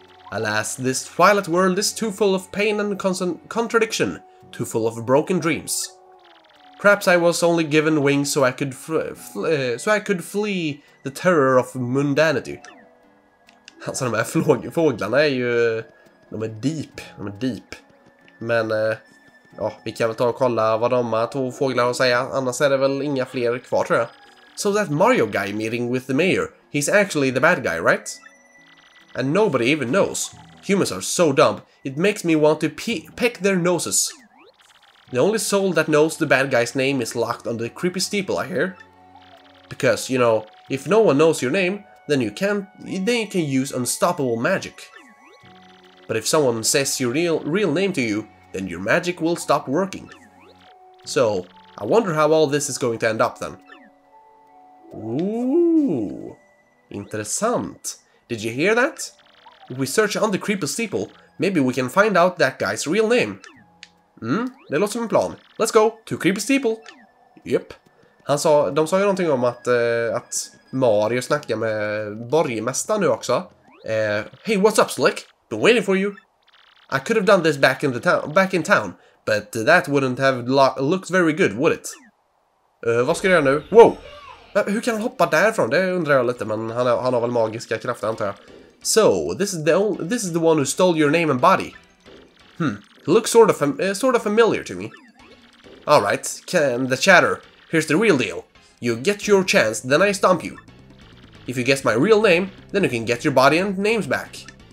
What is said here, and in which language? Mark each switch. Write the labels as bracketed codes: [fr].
[en] Alas, this twilight world is too full of pain and contradiction. Too full of broken dreams. Perhaps I was only given wings so I could flee the terror of mundanity. [sv] Alltså, de här fåglarna är ju... De är deep. Men, ja, vi kan väl ta och kolla vad de här två fåglar har att säga. Annars är det väl inga fler kvar, tror jag. [en] So that Mario guy meeting with the mayor, he's actually the bad guy, right? And nobody even knows. Humans are so dumb, it makes me want to peck their noses. The only soul that knows the bad guy's name is locked under the creepy steeple, I hear. Because, you know, if no one knows your name, then you can use unstoppable magic. But if someone says your real name to you, then your magic will stop working. So, I wonder how all this is going to end up then. Ooh, intressant. Did you hear that? If we search on the creepy steeple, maybe we can find out that guy's real name. [sv] Mm, det låter som en plan. [en] Let's go to creepy steeple. Yep. [sv] De sa ju någonting om att Mario snackar med borgmästaren nu också. [en] Hey, what's up, Slick? Been waiting for you. I could have done this back in town, but that wouldn't have looked very good, would it? [sv] Vad ska jag göra nu? Whoa! Hur kan han hoppa därifrån? Det undrar jag lite, men han har väl magiska krafter, antar jag. [en] So, this is the one who stole your name and body. Hmm, he looks sort of familiar to me. All right, can the chatter. Here's the real deal. You get your chance, then I stomp you. If you guess my real name, then you can get your body and names back.